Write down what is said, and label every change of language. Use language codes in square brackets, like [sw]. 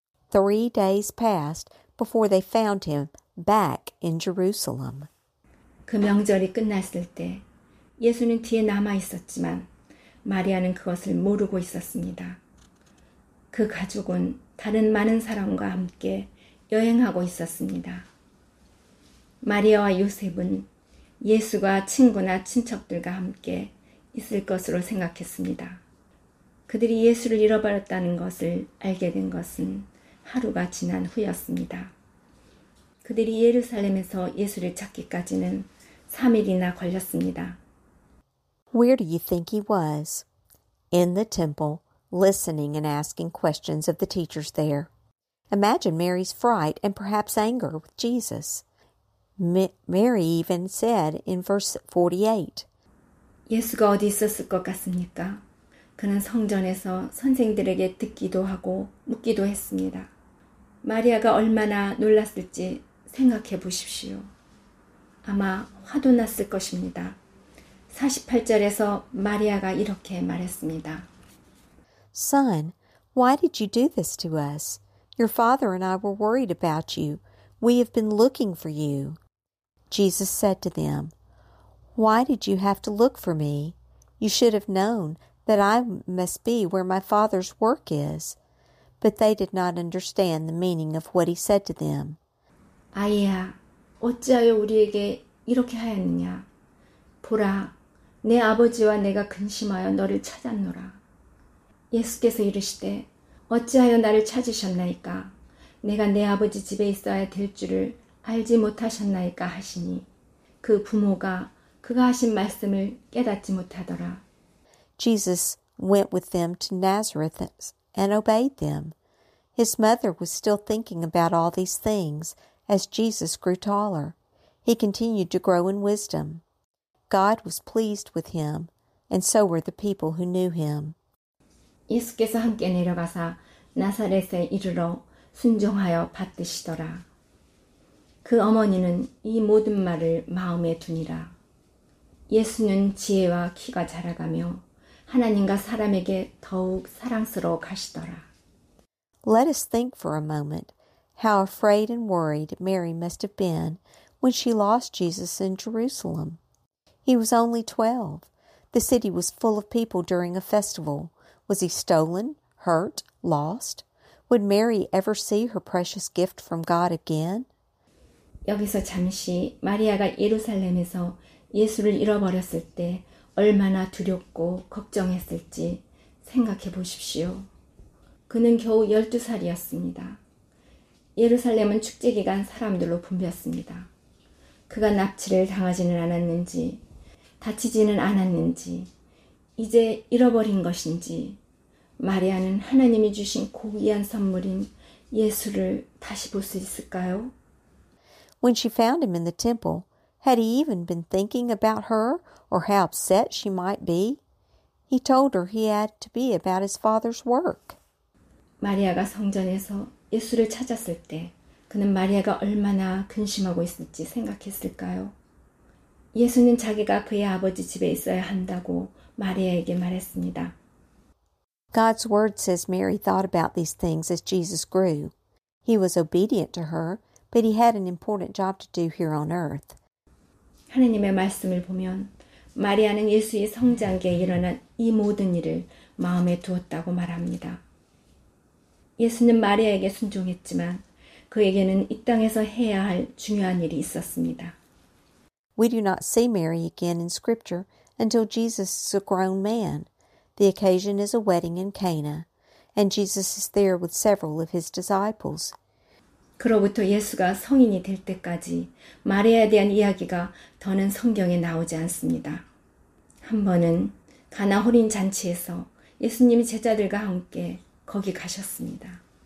[en] 3 days passed before they found him back in Jerusalem. [ko] 그 명절이 끝났을 때 예수는 뒤에 남아 있었지만 마리아는 그것을 모르고 있었습니다. 그 가족은 다른 많은 사람과 함께 여행하고 있었습니다. 마리아와 요셉은 예수가 친구나 친척들과 함께 있을 것으로 생각했습니다. 그들이 예수를 잃어버렸다는 것을 알게 된 것은 하루가 지난 후였습니다. 그들이 예루살렘에서 예수를 찾기까지는 3일이나 걸렸습니다. [en] Where do you think he was? In the temple, listening and asking questions of the teachers there. Imagine Mary's fright and perhaps anger with Jesus. Mary even said in verse 48, [ko] 예수가 어디 있었을 것 같습니까? 그는 성전에서 선생들에게 듣기도 하고 묻기도 했습니다. 마리아가 얼마나 놀랐을지 생각해 보십시오. 아마 화도 났을 것입니다. 48절에서 마리아가 이렇게 말했습니다. [en] Son, why did you do this to us? Your father and I were worried about you. We have been looking for you. Jesus said to them, Why did you have to look for me? You should have known that I must be where my father's work is. But they did not understand the meaning of what he said to them. [ko] 아이야, 어찌하여 우리에게 이렇게 하였느냐? 보라, 내 아버지와 내가 근심하여 너를 찾았노라. 예수께서 이르시되 어찌하여 나를 찾으셨나이까? 내가 내 아버지 집에 있어야 될 줄을 알지 못하셨나이까 하시니 그 부모가 그가 하신 말씀을 깨닫지 못하더라. [en] Jesus went with them to Nazareth and obeyed them. His mother was still thinking about all these things as Jesus grew taller. He continued to grow in wisdom. God was pleased with him, and so were the people who knew him. [ko] 예수께서 함께 내려가사 나사렛에 이르러 순종하여 받드시더라. 그 어머니는 이 모든 말을 마음에 두니라. 예수는 지혜와 키가 자라가며 하나님과 사람에게 더욱 사랑스러워 가시더라. [en] Let us think for a moment how afraid and worried Mary must have been when she lost Jesus in Jerusalem. He was only 12. The city was full of people during a festival. Was he stolen, hurt, lost? Would Mary ever see her precious gift from God again? [ko] 여기서 잠시 마리아가 예루살렘에서 예수를 잃어버렸을 때 얼마나 두렵고 걱정했을지 생각해 보십시오. 그는 겨우 12살이었습니다. 예루살렘은 축제 기간 사람들로 붐볐습니다. 그가 납치를 당하지는 않았는지, 다치지는 않았는지, 이제 잃어버린 것인지 마리아는 하나님이 주신 고귀한 선물인 예수를 다시 볼 수 있을까요? [en] When she found him in the temple, had he even been thinking about her or how upset she might be? He told her he had to be about his father's work. [ko] 마리아가 성전에서 예수를 찾았을 때 그는 마리아가 얼마나 근심하고 있을지 생각했을까요? 예수는 자기가 그의 아버지 집에 있어야 한다고 마리아에게 말했습니다. [en] God's word says Mary thought about these things as Jesus grew. He was obedient to her, but he had an important job to do here on earth. [ko] 하나님의 말씀을 보면 마리아는 예수의 성장기에 일어난 이 모든 일을 마음에 두었다고 말합니다. 예수는 마리아에게 순종했지만 그에게는 이 땅에서 해야 할 중요한 일이 있었습니다. [en] We do not see Mary again in Scripture until Jesus is a grown man. The occasion is a wedding in Cana, and Jesus is there with several of his disciples. [ko] 그로부터 예수가 성인이 될 때까지 마리아에 대한 이야기가 더는 성경에 나오지 않습니다. 한 번은 가나 혼인 잔치에서 예수님이 제자들과 함께 거기 가셨습니다.